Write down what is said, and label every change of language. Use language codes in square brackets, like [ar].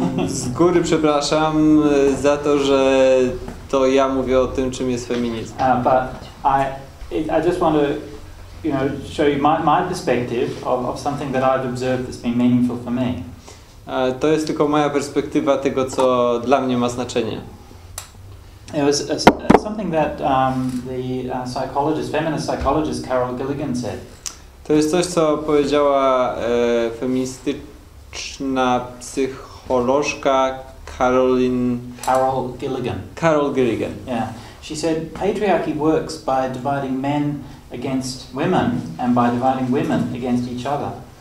[pl] Z góry przepraszam za to, że to ja mówię o tym, czym jest feminizm. [en] But I just want to, you know, show you my perspective of something that I've observed that's been meaningful for me. [pl] To jest tylko moja perspektywa tego, co dla mnie ma znaczenie. [en] It was something that the psychologist, feminist psychologist Carol Gilligan said. [pl] To jest coś, co powiedziała feministyczna psycholożka Carol Gilligan. [en] Carol Gilligan. Yeah. She said patriarchy works by dividing men against women and by dividing women against each other.